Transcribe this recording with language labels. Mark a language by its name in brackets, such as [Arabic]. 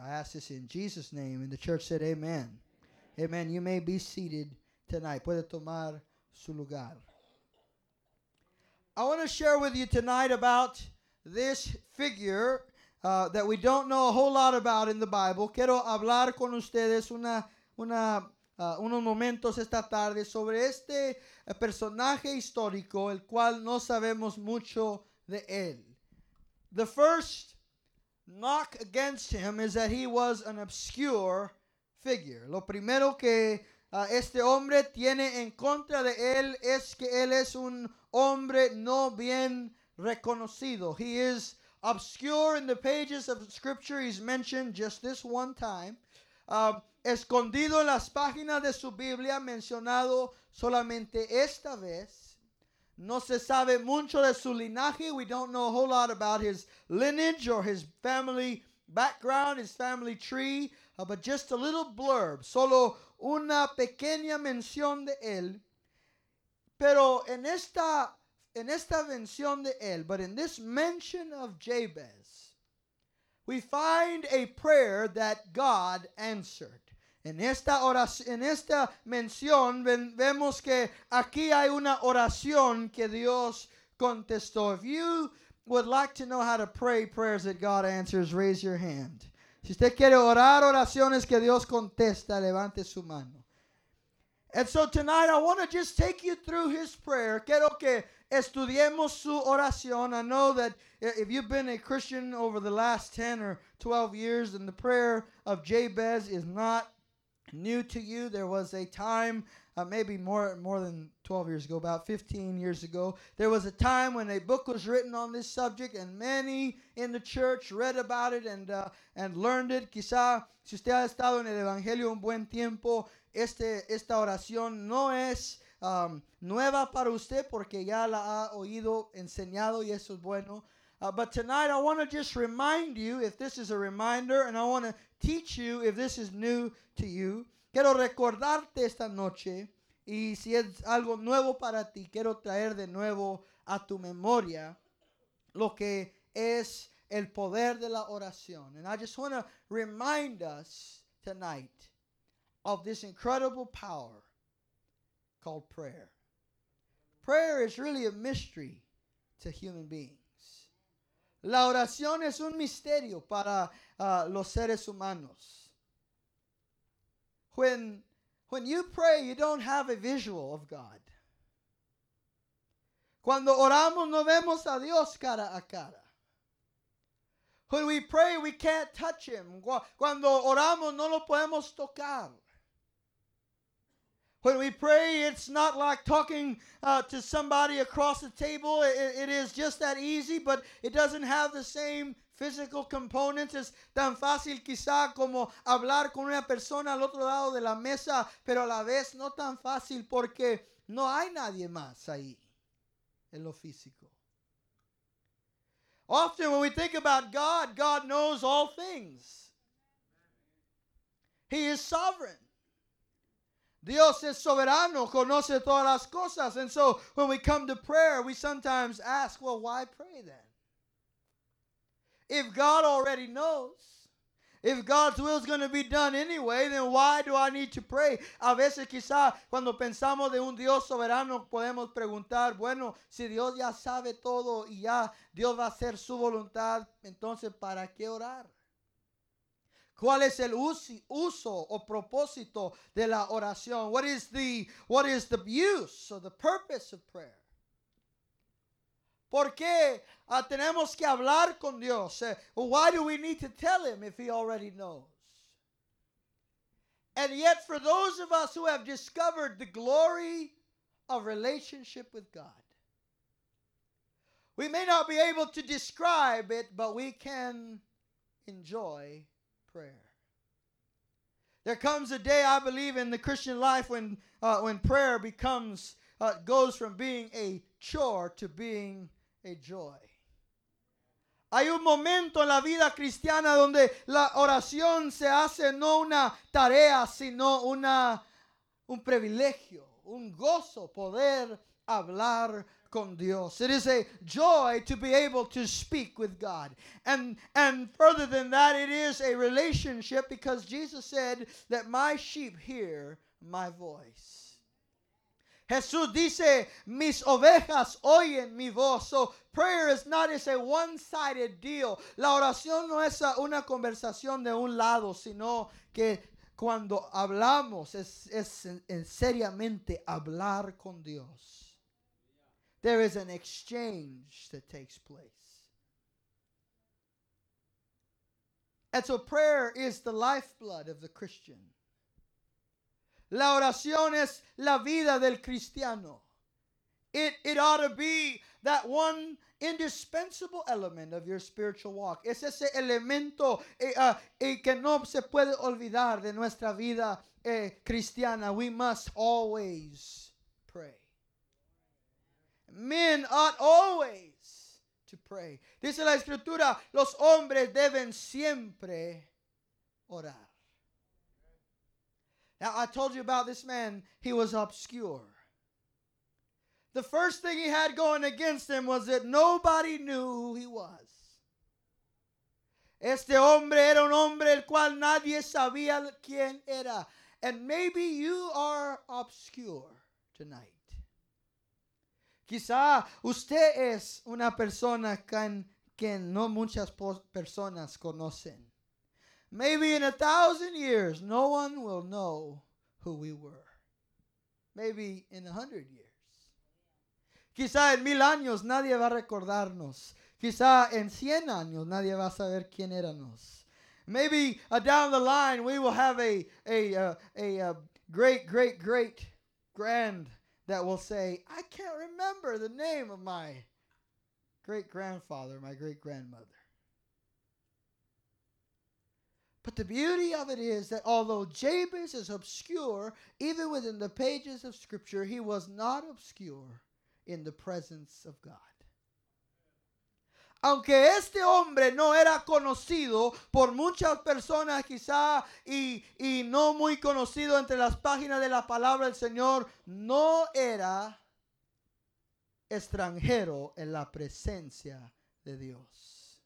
[English] I ask this in Jesus' name, and the church said amen. Amen. Amen. You may be seated tonight. [Spanish] Puede tomar su lugar. [English] I want to share with you tonight about this figure that we don't know a whole lot about in the Bible. [Spanish] Quiero hablar con ustedes unos momentos esta tarde sobre este personaje histórico el cual no sabemos mucho de él. [English] The first knock against him is that he was an obscure figure. [Spanish] Lo primero que este hombre tiene en contra de él es que él es un hombre no bien reconocido. [English] He is obscure in the pages of Scripture. He's mentioned just this one time. [Spanish] Escondido en las páginas de su Biblia, mencionado solamente esta vez. No se sabe mucho de su linaje. [English] We don't know a whole lot about his lineage or his family background, his family tree, but just a little blurb, [Spanish] solo una pequeña mención de él. Pero en esta mención de él, [English] but in this mention of Jabez, We find a prayer that God answered. [Spanish] En esta oración, en esta mención, vemos que aquí hay una oración que Dios contestó. [English] If you would like to know how to pray prayers that God answers, raise your hand. [Spanish] Si usted quiere orar oraciones que Dios contesta, levante su mano. [English] And so tonight I want to just take you through his prayer. [Spanish] Quiero que estudiemos su oración. [English] I know that if you've been a Christian over the last 10 or 12 years, then the prayer of Jabez is not new to you. There was a time, maybe more than 12 years ago, about 15 years ago, there was a time when a book was written on this subject, and many in the church read about it and learned it. [Spanish] Quizá si usted ha estado en el Evangelio un buen tiempo, esta oración no es nueva para usted porque ya la ha oído, enseñado, y eso es bueno. [English] But tonight I want to just remind you, if this is a reminder, and I want to teach you if this is new to you. [Spanish] Quiero recordarte esta noche, y si es algo nuevo para ti, quiero traer de nuevo a tu memoria lo que es el poder de la oración. [English] And I just want to remind us tonight of this incredible power called prayer. Prayer is really a mystery to human beings. [Spanish] La oración es un misterio para los seres humanos. [English] When you pray, you don't have a visual of God. [Spanish] Cuando oramos, no vemos a Dios cara a cara. [English] When we pray, we can't touch him. [Spanish] Cuando oramos, no lo podemos tocar. [English] When we pray, it's not like talking to somebody across the table. It is just that easy, but it doesn't have the same physical components. [Spanish] Es tan fácil quizá como hablar con una persona al otro lado de la mesa, pero a la vez no tan fácil porque no hay nadie más ahí en lo físico. [English] Often when we think about God, God knows all things. He is sovereign. [Spanish] Dios es soberano, conoce todas las cosas. [English] And so when we come to prayer, we sometimes ask, well, why pray then? If God already knows, if God's will is going to be done anyway, then why do I need to pray? [Spanish] A veces quizá cuando pensamos de un Dios soberano podemos preguntar, bueno, si Dios ya sabe todo y ya Dios va a hacer su voluntad, entonces ¿para qué orar? ¿Cuál es el uso o propósito de la oración? [English] What is the use or the purpose of prayer? [Spanish] ¿Por qué tenemos que hablar con Dios? [English] Why do we need to tell him if he already knows? And yet for those of us who have discovered the glory of relationship with God, we may not be able to describe it, but we can enjoy prayer. There comes a day, I believe, in the Christian life when prayer becomes goes from being a chore to being a joy. [Spanish] Hay un momento en la vida cristiana donde la oración se hace no una tarea, sino un privilegio, un gozo poder hablar con Dios. [English] It is a joy to be able to speak with God. And further than that, it is a relationship because Jesus said that my sheep hear my voice. [Spanish] Jesús dice, mis ovejas oyen mi voz. [English] So prayer is not a one-sided deal. [Spanish] La oración no es una conversación de un lado, sino que cuando hablamos es seriamente hablar con Dios. [English] There is an exchange that takes place. And so prayer is the lifeblood of the Christian. [Spanish] La oración es la vida del cristiano. [English] It ought to be that one indispensable element of your spiritual walk. [Spanish] Es ese elemento que no se puede olvidar de nuestra vida cristiana. [English] We must always pray. Men ought always to pray. [Spanish] Dice la escritura, los hombres deben siempre orar. [English] Now, I told you about this man. He was obscure. The first thing he had going against him was that nobody knew who he was. [Spanish] Este hombre era un hombre el cual nadie sabía quién era. [English] And maybe you are obscure tonight. [Spanish] Quizá usted es una persona que no muchas personas conocen. [English] Maybe in 1,000 years, no one will know who we were. Maybe in 100 years. [Spanish] Quizá en 1,000 años nadie va a recordarnos. Quizá en 100 años nadie va a saber quién éramos. [English] Maybe down the line we will have a great, great, great grand that will say, I can't remember the name of my great grandfather, my great grandmother. But the beauty of it is that although Jabez is obscure, even within the pages of Scripture, he was not obscure in the presence of God. [Spanish] Aunque este hombre no era conocido por muchas personas quizá y no muy conocido entre las páginas de la palabra del Señor, no era extranjero en la presencia de Dios.